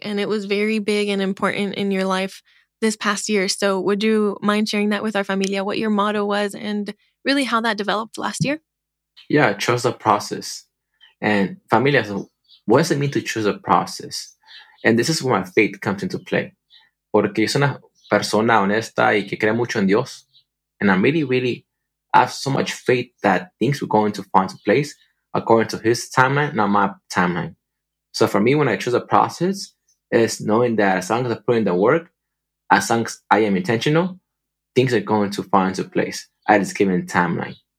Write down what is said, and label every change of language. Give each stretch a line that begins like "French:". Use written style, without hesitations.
English: And it was very big and important in your life this past year. So would you mind sharing that with our familia, what your motto was and really how that developed last year? Yeah, trust the process. And familia, so what does it mean to choose a process? And this is where my faith comes into play.
Spanish: Porque es una persona honesta y que cree mucho en Dios.
English: And I really, really have so much faith that things will go into find a place according to his timeline, not my timeline. So for me, when I choose a process, it's knowing that as long as I put in the work, as long as I am intentional, things are going to fall into place at this given timeline.